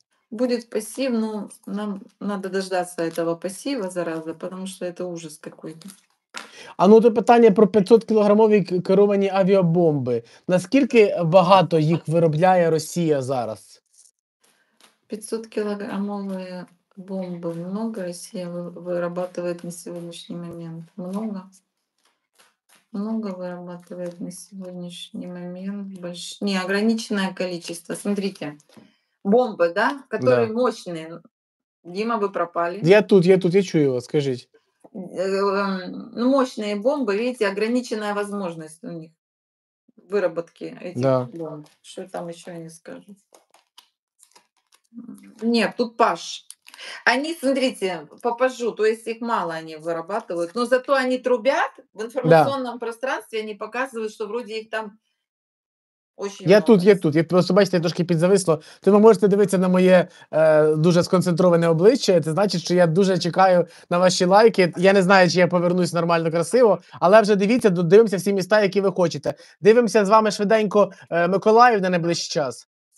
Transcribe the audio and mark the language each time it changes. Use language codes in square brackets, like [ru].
[ru] Будет пассив, но нам надо дождаться этого пассива, зараза, потому что это ужас какой-то. [uk] А ну то питання про 500-кілограмові керовані авіабомби. Наскільки багато їх виробляє Росія зараз? 500-кілограмові бомби много Росія виробляє на сьогоднішній момент. [ru] Много. Много вырабатывает на сегодняшний момент. Неограниченное количество. Смотрите. Бомбы, да? Которые мощные. Дима, вы пропали. Я тут, я чую его, скажите. Ну, мощные бомбы, видите, ограниченная возможность у них выработки этих бомб. Что там еще они скажут? Нет, тут паш. Они, смотрите, по пажу, то есть их мало они вырабатывают, но зато они трубят в информационном пространстве, они показывают, что вроде их там очень много. Я тут. [uk] Я просто, бачите, я трошки підзависло. То ви можете дивитися на моє дуже сконцентроване обличчя. Це значить, що я дуже чекаю на ваші лайки. Я не знаю, чи я повернусь нормально, красиво, але вже дивіться, дивимося всі міста, які ви хочете. Дивимося з вами швиденько Миколаїв на найближчий час.